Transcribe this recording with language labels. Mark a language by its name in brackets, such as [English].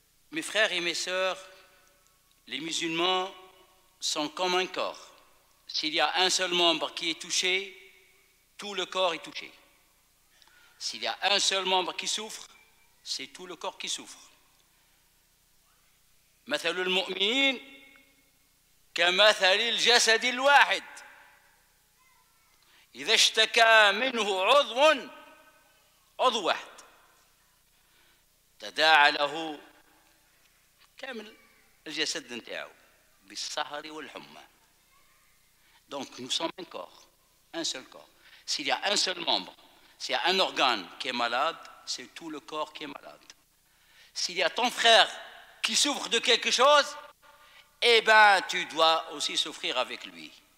[French] Mes frères et mes sœurs, les musulmans sont comme un corps. S'il y a un seul membre qui est touché, tout le corps est touché. S'il y a un seul membre qui souffre, c'est tout le corps qui souffre. [Arabic] مثل المؤمنين كمثل الجسد الواحد إذا اشتكى منه عضو عضو واحد تداعى له كامل الجسد نتاعو بالسهر والحمى. [French] Donc nous sommes un corps, un seul corps. S'il y a un seul membre, s'il y a un organe qui est malade, c'est tout le corps qui est malade. S'il y a ton frère qui souffre de quelque chose, eh bien tu dois aussi souffrir avec lui.